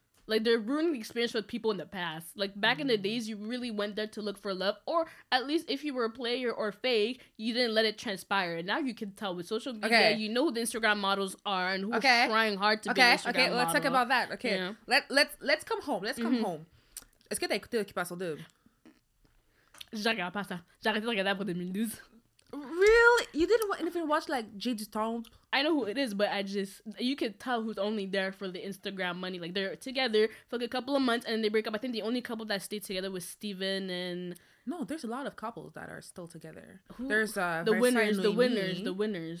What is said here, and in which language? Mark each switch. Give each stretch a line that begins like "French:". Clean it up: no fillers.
English: Like, they're ruining the experience for people in the past. Like, back in the days, you really went there to look for love, or at least if you were a player or fake, you didn't let it transpire. And now you can tell with social media, you know who the Instagram models are and who's trying hard to be an Instagram model. Let's talk about that. Okay, yeah. Let's come home. Let's come home.
French: Est-ce que t'as écouté Occupation Double? J'ai regardé pas ça. J'ai arrêté de regarder pour 2012.
English: Really? You didn't even watch like Jay Du Temple? I know who it is, but you can tell who's only there for the Instagram money. Like, they're together for like a couple of months and they break up. I think the only couple that stayed together was Steven and... No, there's a lot of couples that are still together. Who? There's The winners.